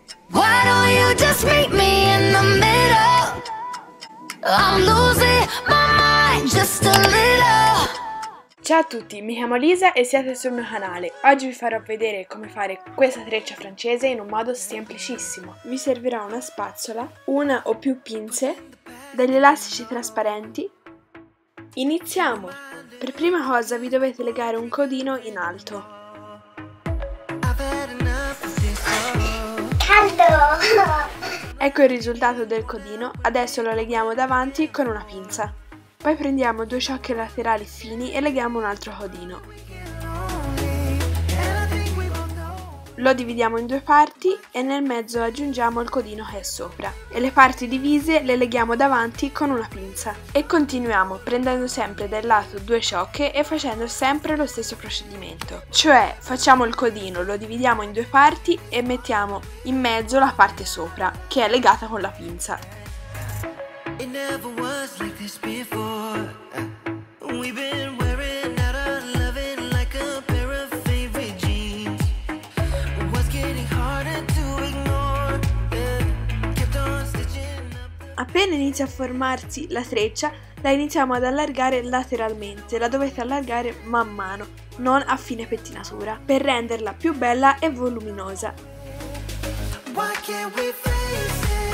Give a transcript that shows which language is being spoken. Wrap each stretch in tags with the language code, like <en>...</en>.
<en>Why don't you just meet me in the middle? I'm losing my mind just a little.</en> <it>Ciao a tutti, mi chiamo Lisa e siete sul mio canale. Oggi vi farò vedere come fare questa treccia francese in un modo semplicissimo. Vi servirà una spazzola, una o più pinze, degli elastici trasparenti. Iniziamo! Per prima cosa vi dovete legare un codino in alto. Caldo! Ecco il risultato del codino, adesso lo leghiamo davanti con una pinza. Poi prendiamo due ciocche laterali fini e leghiamo un altro codino. Lo dividiamo in due parti e nel mezzo aggiungiamo il codino che è sopra. E le parti divise le leghiamo davanti con una pinza. E continuiamo prendendo sempre dal lato due ciocche e facendo sempre lo stesso procedimento. Cioè facciamo il codino, lo dividiamo in due parti e mettiamo in mezzo la parte sopra che è legata con la pinza.</it> <en>It never was like this before. We've been wearing out our loving like a pair of favorite jeans. Was getting harder to ignore. Kept on stitching up.</en> <it>Appena inizia a formarsi la treccia, la iniziamo ad allargare lateralmente, la dovete allargare man mano, non a fine pettinatura, per renderla più bella e voluminosa.</it> <en>Why can't we face?</en>